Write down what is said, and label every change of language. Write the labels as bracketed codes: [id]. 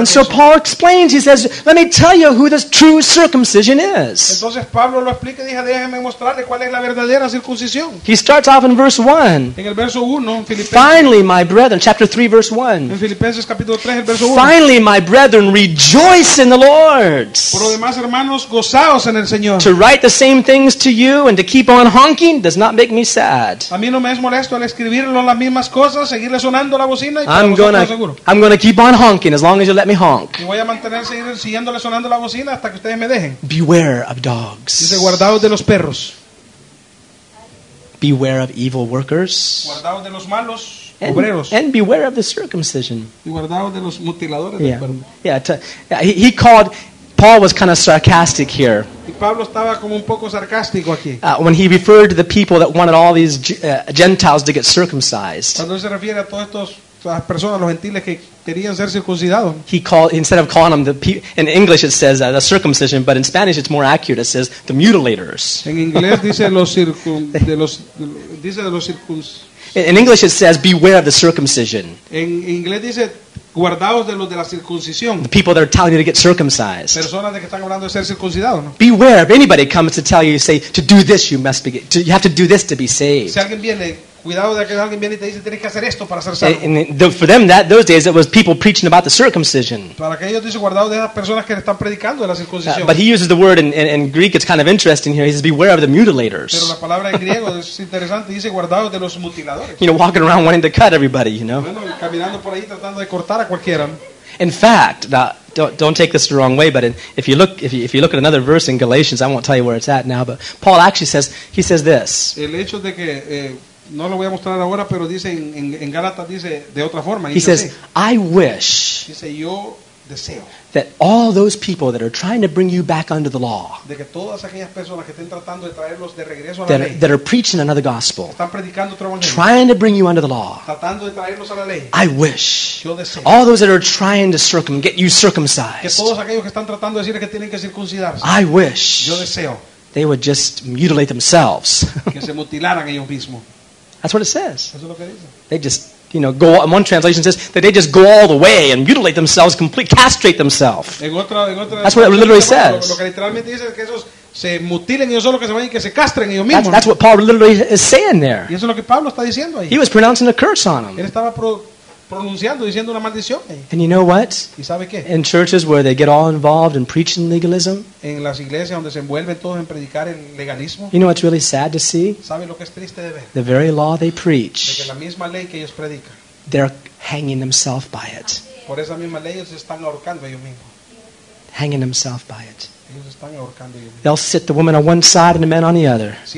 [en] And so Paul explains, he says, let me tell you who this true circumcision is. [es] Entonces Pablo lo explica y dice, déjeme mostrarle cuál es la verdadera circuncisión. [en] He starts off in verse 1. [es] En el verso uno, en Filipenses. [en] Finally, my brethren, rejoice in the Lord. [es] Por lo demás, hermanos, gozaos en el Señor. [en] To write the same things to you and to keep on honking does not make me sad. [es] A mí no me es molesto al escribirlo las mismas cosas, seguirle sonando la bocina y [en] I'm going to keep on honking as long as you let me honk. [es] Y voy a mantener siguiéndole sonando la bocina hasta que ustedes me dejen. [en] Beware of dogs. [es] Dice, guardaos de los perros. [en] Beware of evil workers. [es] Guardaos de los malos. [en] And beware of the circumcision. [es] De los mutiladores, [en] yeah. He called, Paul was kind of sarcastic here. [es] Y Pablo estaba como un poco sarcástico aquí. [en] When he referred to the people that wanted all these Gentiles to get circumcised. [es] Cuando se refiere a todos estos, a las personas, los gentiles que querían ser circuncidados. [en] He called, instead of calling them, in English it says the circumcision, but in Spanish it's more accurate, it says the mutilators. [es] En inglés dice los circuncidados. [en] In English it says, beware of the circumcision. [es] En inglés dice, guardaos de los de la circuncisión. [en] The people that are telling you to get circumcised. [es] Personas de que están hablando de ser circuncidado, ¿no? [en] Beware if anybody comes to tell you, say, to do this you must be, you have to do this to be saved. [es] Si alguien viene, cuidado de que alguien viene y te dice, tienes que hacer esto para ser salvo. [en] For them, those days, it was people preaching about the circumcision. [es] Para que ellos dicen, guardaos de esas personas que le están predicando de la circuncisión. [en] But he uses the word in Greek, it's kind of interesting here. He says, beware of the mutilators. [es] Pero la palabra en griego es interesante, dice, guardaos de los mutiladores. [en] You know, walking around wanting to cut everybody, you know. [es] Bueno, caminando por ahí tratando de cortar a cualquiera. [en] In fact, don't take this the wrong way, but if you look at another verse in Galatians, I won't tell you where it's at now, but Paul actually says, he says this. [es] El hecho de que no lo voy a mostrar ahora, pero dice en Gálatas dice de otra forma. [en] He says, I wish. [es] Dice, yo deseo. [en] That all those people that are trying to bring you back under the law. [es] De que todas aquellas personas que estén tratando de traerlos de regreso a la ley. [en] That are preaching another gospel. [es] Están predicando otro evangelio. [en] Trying to bring you under the law. [es] Tratando de traerlos a la ley. [en] I wish. [es] Yo deseo. [en] All those that are trying to get you circumcised. [es] Que todos aquellos que están tratando de decir que tienen que circuncidarse. [en] I wish. [es] Yo deseo. [en] They would just mutilate themselves. [es] Que se mutilaran ellos mismos. [en] That's what it says. [es] Eso es lo que dice. [en] They just you know, go. One translation says that they just go all the way and mutilate themselves, complete, castrate themselves. That's what it literally says. [es] Se mutilen ellos solo, que se vayan, que se castren ellos mismos. [en] That's what Paul literally is saying there. [es] Y eso es lo que Pablo está diciendo ahí. [en] He was pronouncing a curse on them. [es] Él estaba pronunciando, diciendo una maldición ahí. [en] And you know what? [es] ¿Y sabe qué? [en] In churches where they get all involved in preaching legalism. [es] En las iglesias donde se envuelven todos en predicar el legalismo. [en] You know what's really sad to see? [es] ¿Sabe lo que es triste de ver? [en] The very law they preach. [es] De que la misma ley que ellos predican. [en] They're hanging themselves by it. [es] Por esa misma ley ellos están ahorcando ellos mismos. [en] Hanging themselves by it. They'll sit the woman on one side and the men on the other.